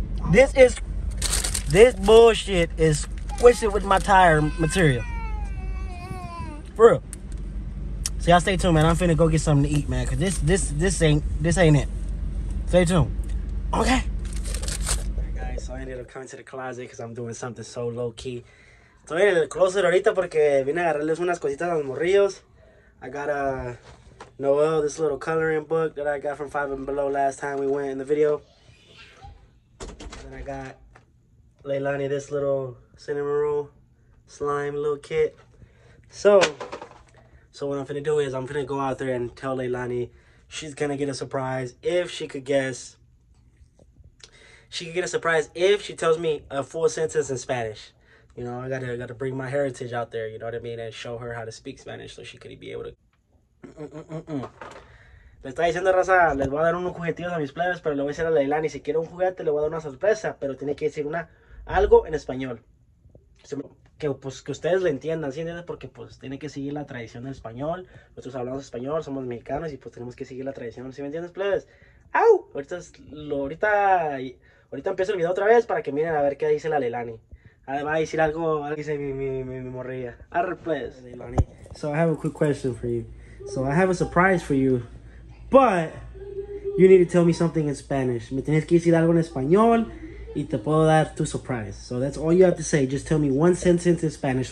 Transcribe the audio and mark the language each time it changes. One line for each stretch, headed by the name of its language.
English: This bullshit is squishing with my tire material. For real. So y'all stay tuned, man. I'm finna go get something to eat, man, because this ain't it. Stay tuned. Okay. Alright, guys, so I ended up coming to the closet because I'm doing something so low-key.
Spanish: Estoy en el closet ahorita porque vine a agarrarles unas cositas a los morrillos.
English: I got a Noel, this little coloring book that I got from Five and Below last time we went in the video. And then I got Leilani, this little cinnamon roll slime little kit. So what I'm finna do is I'm finna go out there and tell Leilani. She's gonna get a surprise if she could guess. She could get a surprise if she tells me a full sentence in Spanish. You know, I gotta bring my heritage out there, you know what I mean, and show her how to speak Spanish so she could be able to.
Spanish: Le está diciendo raza, les voy a dar unos juguetitos a mis plebes, pero le voy a decir a Leilani, si quiere un juguete, le voy a dar una sorpresa, pero tiene que decir algo en español. Que ustedes le entiendan, ¿sí entiendes? Porque pues tiene que seguir la tradición del español. Nosotros hablamos español, somos mexicanos y pues tenemos que seguir la tradición, ¿sí me entiendes, plebes? ¡Au! Ahorita empiezo el video otra vez para que miren a ver qué dice la Leilani. Además de decir algo, dice mi morrilla. ¡Arre, plebes!
English: So I have a quick question for you. So I have a surprise for you, but you need to tell me something in Spanish.
Spanish: Me tienes que decir algo en español. Y te puedo dar tu surprise.
English: So that's all you have to say. Just tell me one sentence in Spanish.